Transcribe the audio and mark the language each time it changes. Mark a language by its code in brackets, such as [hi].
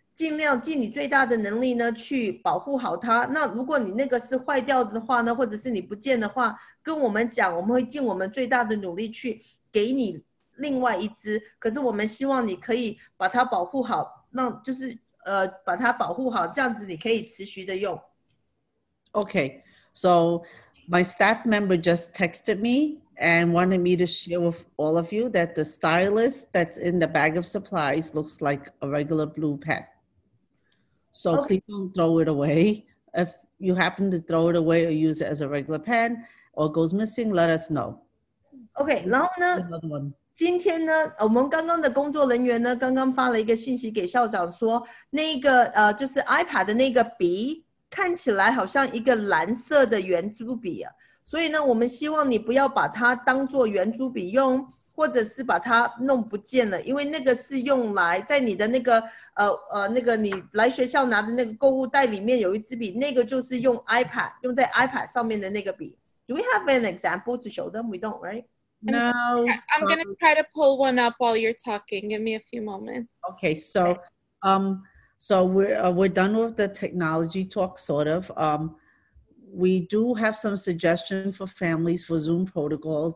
[zh] 尽量尽你最大的能力呢去保护好它，那如果你那个是坏掉的话呢或者是你不见的话跟我们讲，我们会尽我们最大的努力去给你另外一支，可是我们希望你可以把它保护好，那就是把它保护好，这样子你可以持续的用。 [en] Okay, so my staff member just texted me and wanted me to share with all of you that the stylus that's in the bag of supplies looks like a regular blue pen. So okay. Please don't throw it away. If you happen to throw it away or use it as a regular pen or goes missing, let us know. [zh] Okay, 然后呢 [en] another one. [zh] 今天呢我们刚刚的工作人员呢刚刚发了一个信息给校长说那个就是 iPad 的那个笔看起来好像一个蓝色的圆珠笔、啊、所以呢我们希望你不要把它当作圆珠笔用或者是把它弄不见了，因为那个是用来在你的那个那个你来学校拿的那个购物袋里面有一支笔，那个就是用 iPad 用在 iPad 上面的那个笔。 [en] Do we have an example to show them? We don't, right? No, I'm gonna try to pull one up while you're talking. Give me a few moments. Okay, so, we're done with the technology talk, sort of. We do have some suggestions for families for Zoom protocols.